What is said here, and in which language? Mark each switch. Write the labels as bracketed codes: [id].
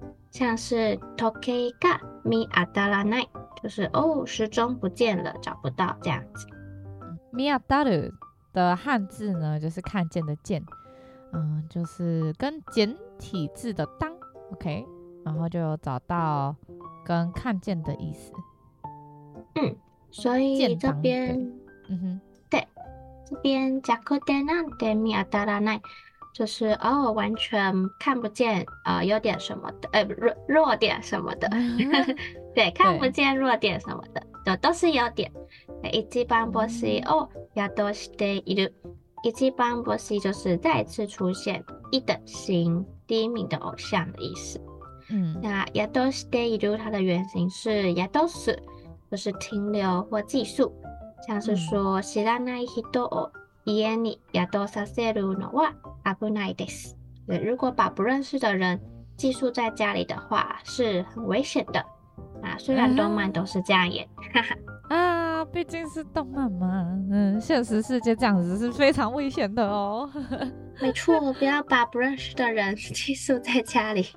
[zh] 像是 [ja] 時計が見当たらない， [zh] 就是哦，时钟不见了，找不到这样子。見当たる的汉字呢，就是看见的见，就是跟简体字的当 ，OK， 然后就有找到跟看见的意思。所以这边，对，这边 [ja] 弱点なんて見当たらない。 [zh] 就是哦，完全看不见，优点什么的，弱点什么的，对，看不见弱点什么的，都是优点。一番星哦， [ja] 宿しているいちばん星 [zh] 就是再次出现，一等星，第一名的偶像的意思。那宿しているいる它的原型是宿す，就是停留或寄宿，像是说 [ja] 知らない人を家に宿させるのは危ないです。 [zh] 如果把不认识的人寄宿在家里的话，是很危险的。啊，虽然动漫都是这样演，毕竟是动漫嘛，现实世界这样子是非常危险的哦。没错，不要把不认识的人寄宿在家里。